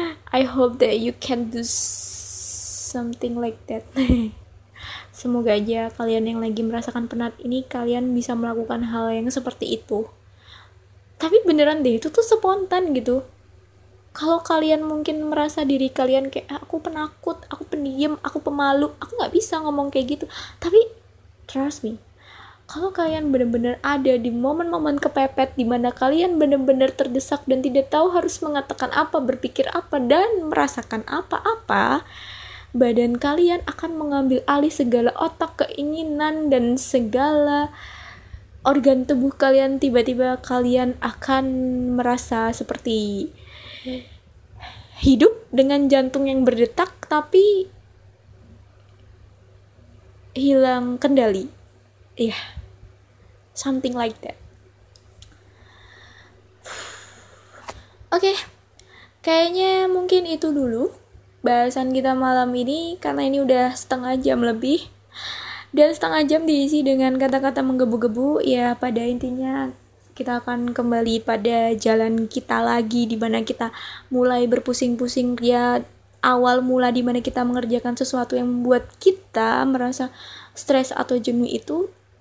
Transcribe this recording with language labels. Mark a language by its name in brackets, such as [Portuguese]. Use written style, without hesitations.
[English] I hope that you can do something like that. [Indonesian] Semoga aja kalian yang lagi merasakan penat ini, kalian bisa melakukan hal yang seperti itu. Tapi beneran deh, itu tuh spontan gitu. Kalau kalian mungkin merasa diri kalian kayak, aku penakut, aku pendiam, aku pemalu, aku gak bisa ngomong kayak gitu. Tapi, [English] trust me, [Indonesian] kalau kalian bener-bener ada di momen-momen kepepet dimana kalian bener-bener terdesak dan tidak tahu harus mengatakan apa, berpikir apa, dan merasakan apa-apa, badan kalian akan mengambil alih segala otak, keinginan, dan segala organ tubuh kalian. Tiba-tiba kalian akan merasa seperti hidup dengan jantung yang berdetak tapi hilang kendali. [English] Ya, yeah, something like that. Oke, okay. [Indonesian] Kayaknya mungkin itu dulu bahasan kita malam ini, karena ini udah setengah jam lebih, dan setengah jam diisi dengan kata-kata menggebu-gebu. Ya, pada intinya kita akan kembali pada jalan kita lagi, di mana kita mulai berpusing-pusing, ya awal mula di mana kita mengerjakan sesuatu yang membuat kita merasa stres atau jenuh itu.